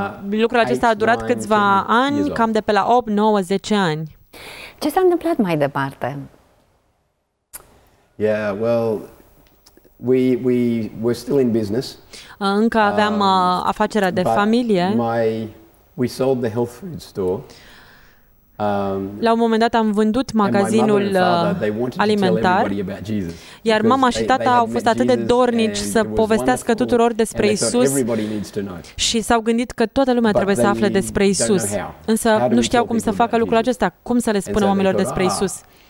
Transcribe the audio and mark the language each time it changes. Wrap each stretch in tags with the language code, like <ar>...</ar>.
<ro>Lucrul acesta a durat câțiva ani, cam de pe la 8-9-10 ani. Ce s-a întâmplat mai departe?</ro> <en>Yeah, well, we were still in business.</en> <ro>Încă aveam afacerea de familie.</ro> <en>We sold the health food store.</en> <ro>La un moment dat am vândut magazinul alimentar, iar mama și tata au fost atât de dornici să povestească tuturor despre Isus și s-au gândit că toată lumea trebuie să afle despre Isus, însă nu știau cum să facă lucrul acesta, cum să le spună oamenilor despre Isus.</ro>